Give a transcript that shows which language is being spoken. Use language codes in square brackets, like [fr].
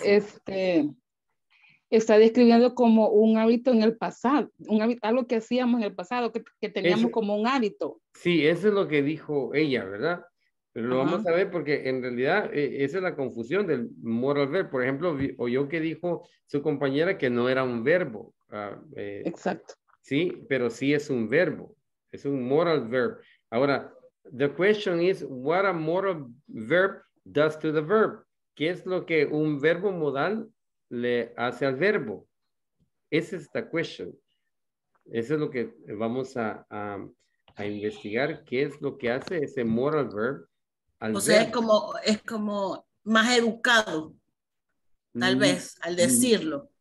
[es] Este está describiendo como un hábito en el pasado, algo que hacíamos en el pasado, que teníamos eso, como un hábito. Sí, eso es lo que dijo ella, ¿verdad? Pero lo vamos a ver porque en realidad esa es la confusión del moral verb. Por ejemplo, oyó que dijo su compañera que no era un verbo. Exacto. Sí, pero sí es un verbo. Es un moral verb. [en] Ahora, the question is, what a moral verb does to the verb? [es] ¿Qué es lo que un verbo modal le hace al verbo? Esa es la question. Eso es lo que vamos a investigar. ¿Qué es lo que hace ese moral verb? O sea, es como más educado, tal vez, al decirlo.